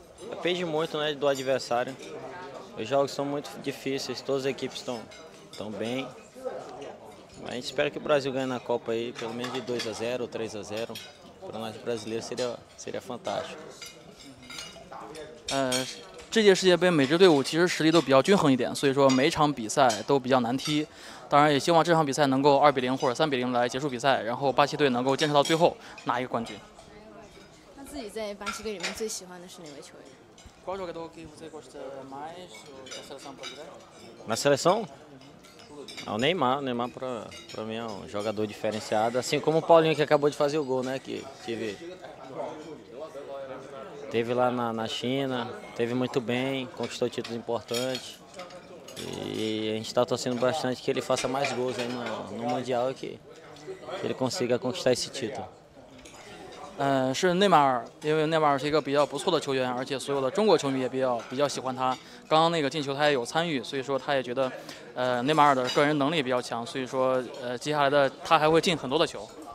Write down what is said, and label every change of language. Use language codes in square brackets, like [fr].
[pt] Depende muito, né, do adversário. Os jogos são muito difíceis, todas as equipes estão bem. A gente espera que o Brasil ganhe na Copa aí, pelo menos de 2-0 ou 3-0. Para nós brasileiros seria fantástico. [zh] 这届世界杯每支队伍其实实力都比较均衡一点，所以说每场比赛都比较难踢。当然也希望这场比赛能够2-0或者3-0来结束比赛，然后巴西队能够坚持到最后拿一个冠军。那自己在巴西队里面最喜欢的是哪位球员？ [pt] Qual jogador que você gosta mais da seleção brasileira? Na seleção? O Neymar. O Neymar, para mim, é um jogador diferenciado. Assim como o Paulinho, que acabou de fazer o gol, né? Que teve lá na China, teve muito bem, conquistou títulos importantes. E a gente está torcendo bastante que ele faça mais gols aí no Mundial e que ele consiga conquistar esse título. [zh] 是内马尔，因为内马尔是一个比较不错的球员，而且所有的中国球迷也比较喜欢他。刚刚那个进球他也有参与，所以说他也觉得，内马尔的个人能力比较强，所以说接下来的他还会进很多的球。